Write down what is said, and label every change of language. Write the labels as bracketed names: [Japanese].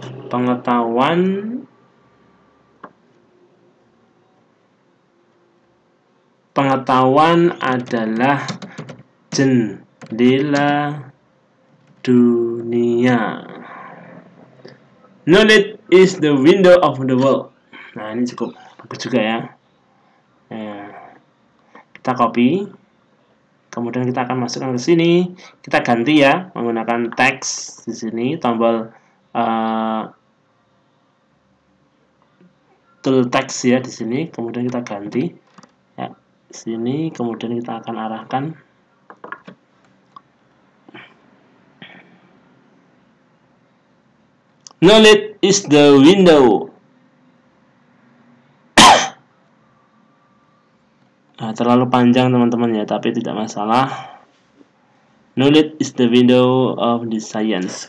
[Indonesian] Pengetahuan Pengetahuan adalah jendela dunia. [English] Knowledge is the window of the world. [Indonesian] Nah, ini cukup bagus juga ya. Kita copy. Kemudian kita akan masukkan ke sini. Kita ganti ya, menggunakan teks di sini, tombol tool teks ya di sini. Kemudian kita ganti ya sini. Kemudian kita akan arahkan. [English] Knowledge is the window. [Indonesian] Nah, terlalu panjang teman-teman ya, tapi tidak masalah. [English] Knowledge is the window of the science.